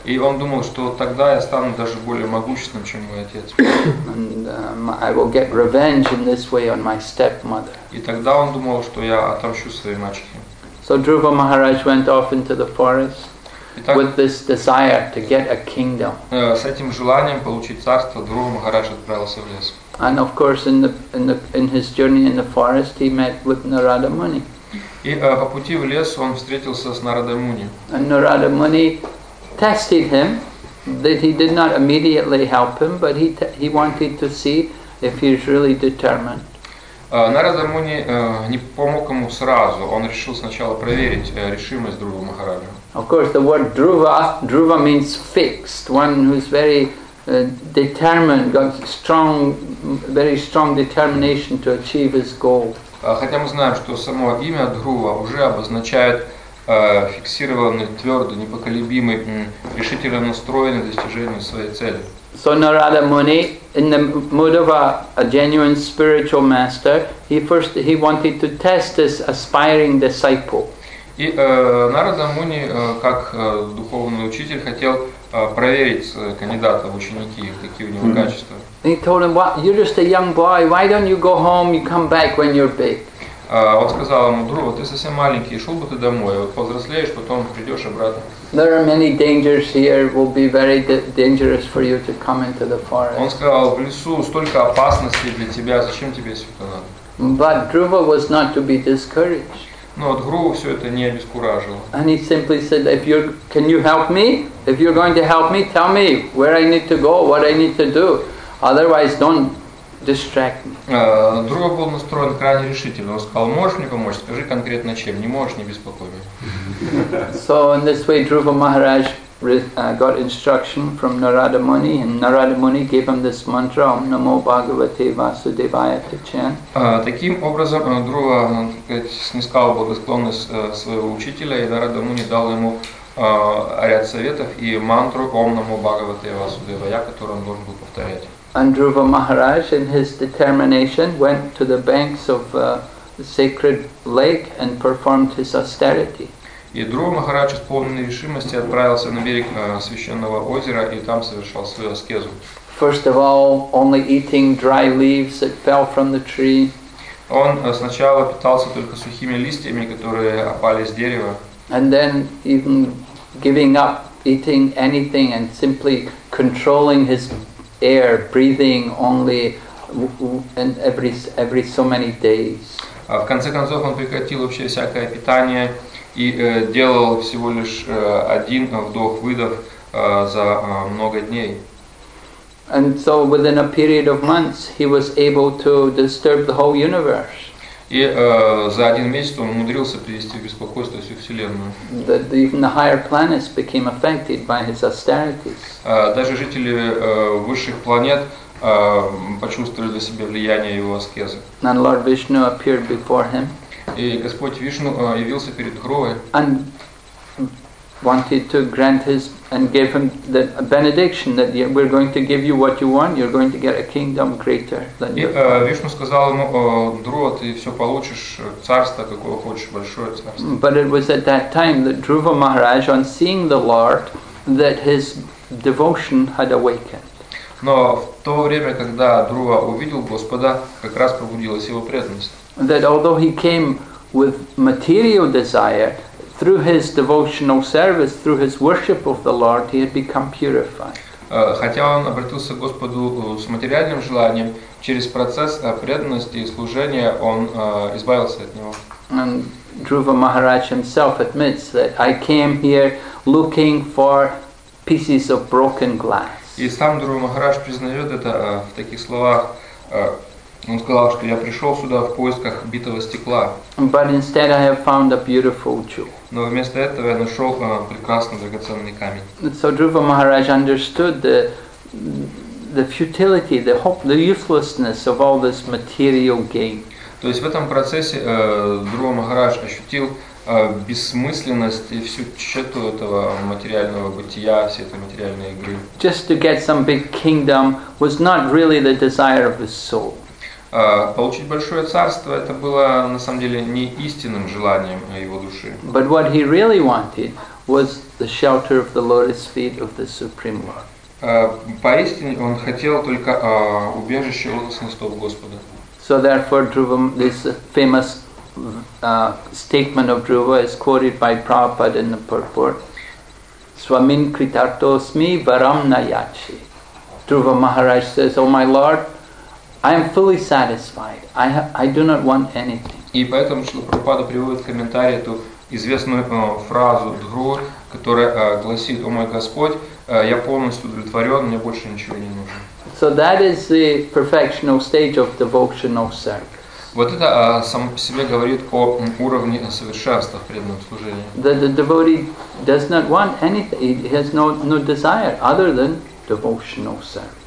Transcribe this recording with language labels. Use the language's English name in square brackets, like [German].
[Russian] И он думал, что тогда я стану даже более могущественным, чем мой отец. [English] And I will get revenge in this way on my stepmother. [Russian] И тогда он думал, что я отомщу своей мачехе. [English] So Dhruva Maharaj went off into the forest. [Russian] Итак, [English] with this desire to get a kingdom. [Russian] С этим желанием получить царство, Друва Махарадж отправился в лес. [English] And of course, in his journey in the forest, he met with Narada Muni. [Russian] И по пути в лес он встретился с Нарадой Муни. [English] And Narada Muni tested him. That he did not immediately help him, but he wanted to see if he is really determined. [Russian] Нарада Муни не помог ему сразу. Он решил сначала проверить решимость Друва Махараджа. [English] Of course, the word Druva means fixed, one who is very determined, got strong, very strong determination to achieve his goal. [Russian] Хотя мы знаем, что само имя Друва уже обозначает фиксированный, твердый, непоколебимый, решительно настроенный к достижению своей цели. [English] So Narada Muni, in the mood of a genuine spiritual master, he wanted to test this aspiring disciple. [Russian] И Нарада Муни, как духовный учитель, хотел проверить кандидата в ученики, какие у него качества. [English] He told him, "What? You're just a young boy. Why don't you go home? You come back when you're big." [Russian] Он сказал ему: "Друг, ты совсем маленький, шел бы ты домой, вот повзрослеешь, потом придешь обратно." [English] There are many dangers here. Will be very dangerous for you to come into the forest. [Russian] Он сказал: "В лесу столько опасностей для тебя, зачем тебе сюда надо?" [English] But Dhruva was not to be discouraged. [Russian] Но от Дхрувы все это не обескуражило. [English] And he simply said, "If you can you help me? If you're going to help me, tell me where I need to go, what I need to do. Otherwise, don't." [Russian] Друг был настроен крайне решительно. Он сказал: "Можешь мне помочь? Скажи конкретно чем. Не можешь, не беспокой меня." [English] So in this way, Dhruva Maharaj got instruction from Narada Muni, and Narada Muni gave him this mantra: [Sanskrit] "Om Namo Bhagavate Vasudevaya" [English] to chant. [Russian] Таким образом, Друга снискал благосклонность своего учителя, и Нарада Муни дал ему ряд советов и мантру [Sanskrit] "Om Namo Bhagavate Vasudevaya", [Russian] которую он должен был повторять. [English] And Dhruva Maharaj, in his determination, went to the banks of the sacred lake and performed his austerity. [Russian] И Друва Махарадж, исполненный решимости, отправился на берег священного озера и там совершал свою аскезу. [English] First of all, only eating dry leaves that fell from the tree. [Russian] Он сначала питался только сухими листьями, которые опали с дерева. [English] And then even giving up eating anything and simply controlling his air, breathing only and every so many days. [Russian] В конце концов он прекратил вообще всякое питание и делал всего лишь один вдох-выдох за много дней. [English] And so within a period of months he was able to disturb the whole universe. [Russian] И за один месяц он умудрился привести в беспокойство всю Вселенную. [English] That even the higher planets became affected by his austerities. [Russian] Даже жители высших планет почувствовали для себя влияние его аскезы. [English] And Lord Vishnu appeared before him. [Russian] И Господь Вишну явился перед Дхрувой. [English] And wanted to grant his and gave him the benediction that we're going to give you what you want, you're going to get a kingdom greater than your father. [Russian] Вишну сказал ему: "Друва, ты все получишь, царство, какое хочешь, большое царство." [English] But it was at that time that Dhruva Maharaj, on seeing the Lord, that his devotion had awakened. [Russian] Но в то время, когда Друва увидел Господа, как раз пробудилась его преданность. [English] That although he came with material desire, through his devotional service, through his worship of the Lord, he had become purified. [Russian] Хотя он обратился к Господу с материальным желанием, через процесс преданности и служения он избавился от него. [English] And Dhruva Maharaj himself admits that I came here looking for pieces of broken glass. [Russian] И сам Друва Махарадж признает это в таких словах. Он сказал, что я пришел сюда в поисках битого стекла. [English] But instead I have found a beautiful jewel. [Russian] Но вместо этого я нашел прекрасный драгоценный камень. [English] So Dhruva Maharaj understood the futility, the hope, the uselessness of all this material gain. [Russian] То есть в этом процессе Друва Махарадж ощутил бессмысленность и всю тщету этого материального бытия, всей этой материальной игры. [English] Just to get some big kingdom was not really the desire of his soul. [Russian] Получить большое царство – это было, на самом деле, не истинным желанием его души. [English] But what he really wanted was the shelter of the lotus feet of the Supreme Lord. [Russian] Поистине он хотел только убежище лотосных стоп Господа. [English] So therefore, Dhruva, this famous statement of Dhruva is quoted by Prabhupada in the purport. [Sanskrit] Swamin Kritarto Smi Varam Nayachi. [English] Dhruva Maharaj says, "Oh my Lord, I am fully satisfied. I do not want anything." [Russian] И поэтому Шрила Прабхупада приводит комментарий эту известную фразу Дхрувы, которая гласит: "О мой Господь, я полностью удовлетворен, мне больше ничего не нужно." [English] So that is the perfectional stage of devotional service. [Russian] Вот это само по себе говорит о уровне совершенства в преданном служении. [English] The devotee does not want anything. He has no desire other than devotional service.